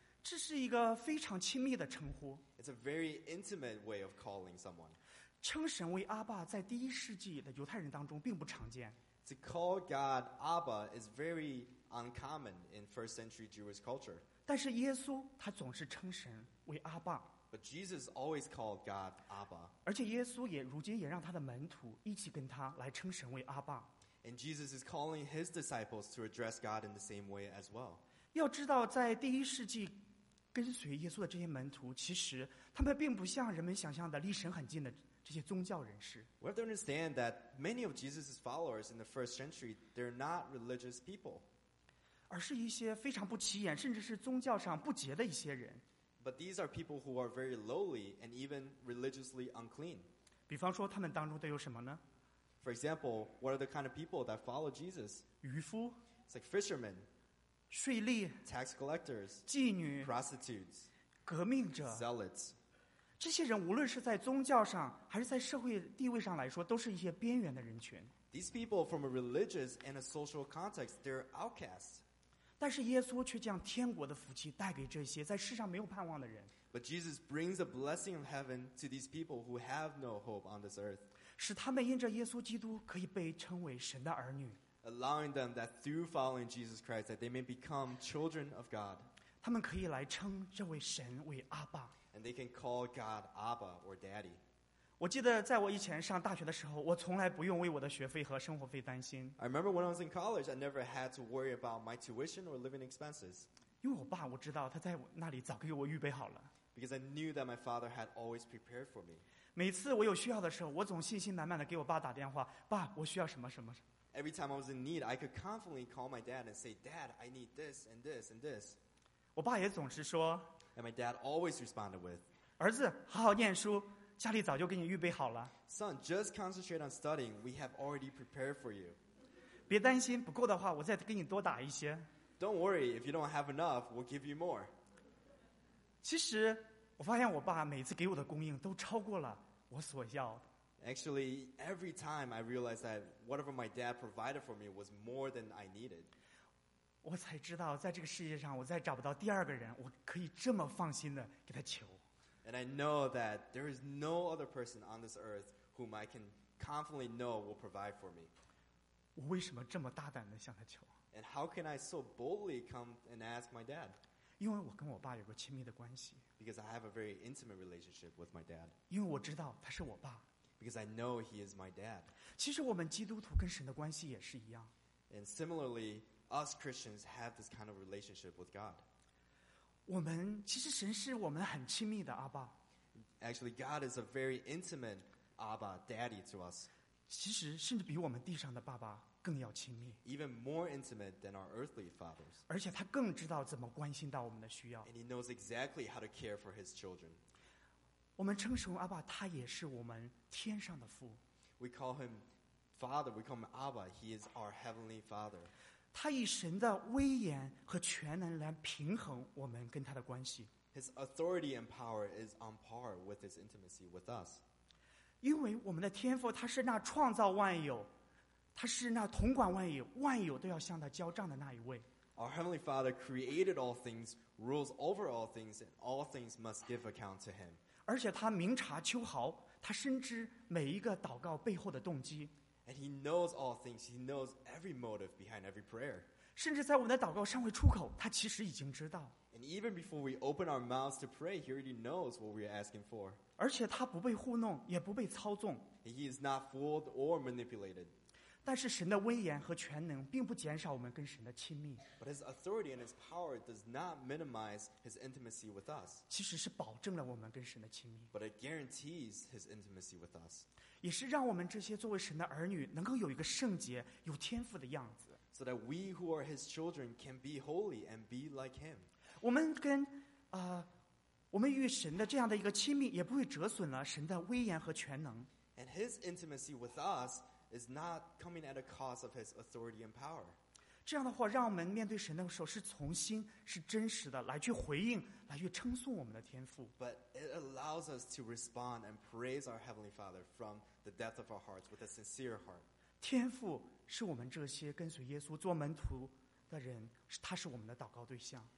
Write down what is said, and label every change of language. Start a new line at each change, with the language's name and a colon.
Chinese: 这是一个非常亲密的称呼。
English: It's a very intimate way of calling someone.
Chinese: 称神为阿爸在第一世纪的犹太人当中并不常见。
English: To call God Abba is very uncommon in first century Jewish culture.
Chinese: 但是耶稣他总是称神为阿爸。
English: But Jesus always called God Abba.
Chinese: 而且耶稣也如今也让他的门徒一起跟他来称神为阿爸。
English: And Jesus is calling his disciples to address God in the same way as well.
Chinese: 要知道在第一世纪跟随耶稣的这些门徒其实他们并不像人们想象的离神很近的这些宗教人士。
English: We have to understand that many of Jesus' followers in the first century, they're not religious people.
Chinese: 而是一些非常不起眼，甚至是宗教上不洁的一些人。
English: But these are people who are very lowly and even religiously unclean.
Chinese: 比方说他们当中都有什么呢？
English: For example, what are the kind of people that follow Jesus?
Chinese: 渔夫。
English: It's like fishermen.
Chinese: 税吏。
English: Tax collectors.
Chinese: 妓女。
English: Prostitutes.
Chinese: 革命者。
English: Zealots.
Chinese: 这些人无论是在宗教上还是在社会地位上来说都是一些边缘的人群。
English: These people from a religious and a social context, they're outcasts.
Chinese: 但是耶稣却将天国的福气带给这些在世上没有盼望的人。
English: But Jesus brings a blessing of heaven to these people who have no hope on this earth.
Chinese: 使他们因着耶稣基督可以被称为神的儿女。
English: Allowing them that through following Jesus Christ that they may become children of God.
Chinese: 他们可以来称这位神为阿爸。
English: And they can call God Abba or Daddy.
Chinese: 我记得在我以前上大学的时候，我从来不用为我的学费和生活费担心。
English: I remember when I was in college, I never had to worry about my tuition or living expenses.
Chinese: 因为我爸，我知道他在那里早给我预备好了。
English: Because I knew that my father had always prepared for me.
Chinese: 每次我有需要的时候，我总信心满满的给我爸打电话，爸，我需要什么什么。
English: Every time I was in need, I could confidently call my dad and say, Dad, I need this and this and this.
Chinese: 我爸也总是说。
English: And my dad always responded with,
Chinese: 儿子，好好念书，家里早就给你预备好了。
English: Son, just concentrate on studying. We have already prepared for you.
Chinese: 别担心，不够的话，我再给你多打一些。
English: Don't worry, if you don't have enough, we'll give you more.
Chinese: 其实，我发现我爸每次给我的供应都超过了我所要。
English: Actually, every time I realized that whatever my dad provided for me was more than I needed.
Chinese: 我才知道在这个世界上我再找不到第二个人我可以这么放心的给他求。
English: And I know that there is no other person on this earth whom I can confidently know will provide for me.
Chinese: 我为什么这么大胆的向他求？
English: And how can I so boldly come and ask my dad?
Chinese: 因为我跟我爸有个亲密的关系。
English: Because I have a very intimate relationship with my dad.
Chinese: 因为我知道他是我爸。
English: because I know he is my dad.
Chinese: 其实我们基督徒跟神的关系也是一样。
English: And similarly, us Christians have this kind of relationship with God.
Chinese: 我们其实神是我们很亲密的阿爸。
English: Actually, God is a very intimate Abba, Daddy to us.
Chinese: 其实甚至比我们地上的爸爸更要亲密。
English: Even more intimate than our earthly fathers.
Chinese: 而且他更知道怎么关心到我们的需要。
English: And he knows exactly how to care for his children.
Chinese: 我们称颂阿爸，他也是我们天上的父。
English: We call him Father. We call him Abba. He is our heavenly Father.
Chinese: 他以神的威严和全能来平衡我们跟他的关系。
English: His authority and power is on par with his intimacy with us.
Chinese: 因为我们的天父，他是那创造万有，他是那统管万有，万有都要向他交账的那一位。
English: Our heavenly Father created all things, rules over all things, and all things must give account to him.
Chinese: 而且他明察秋毫，他深知每一个祷告背后的动机。
English: And he knows all things. He knows every motive behind every prayer.
Chinese: 甚至在我们的祷告尚未出口，他其实已经知道。
English: And even before we open our mouths to pray, he already knows what we're asking for.
Chinese: 而且他不被糊弄，也不被操纵。
English: He is not fooled or manipulated.
Chinese: 但是神的威严和全能并不减少我们跟神的亲密。
English: But his authority and his power does not minimize his intimacy with us.
Chinese: 其实是保证了我们跟神的亲密。
English: But it guarantees his intimacy with us.
Chinese: 也是让我们这些作为神的儿女能够有一个圣洁、有天赋的样子。
English: So that we who are his children can be holy and be like him.
Chinese: 我们跟我们与神的这样的一个亲密也不会折损了神的威严和全能。
English: And his intimacy with us is not coming at a cost of his authority and power.
Chinese: 这样的话，让我们面对神的时候是从心，是真实的，来去回应，来去称颂我们的天父。
English: But it allows us to respond and praise our Heavenly Father from the depth of our hearts with a sincere heart.
Chinese: 天父是我们这些跟随耶稣做门徒的人，他是我们的祷告对象。